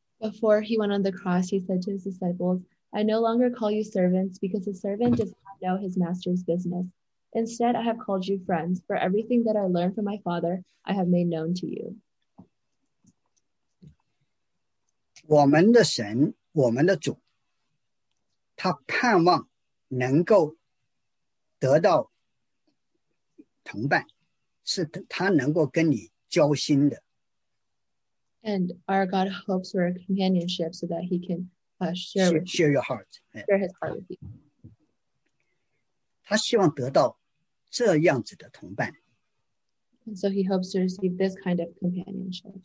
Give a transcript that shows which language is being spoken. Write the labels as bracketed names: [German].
[English] Before he went on the cross, he said to his disciples,I no longer call you servants, because a servant does not know his master's business. Instead, I have called you friends, for everything that I learned from my Father, I have made known to you. [Chinese] 我们的神，我们的主，他盼望能够得到同伴，是他能够跟你交心的。 [English] And our God hopes for companionship so that he can share your heart. Share his heart with you. [Chinese] 他希望得到这样子的同伴。 [English] And so he hopes to receive this kind of companionship.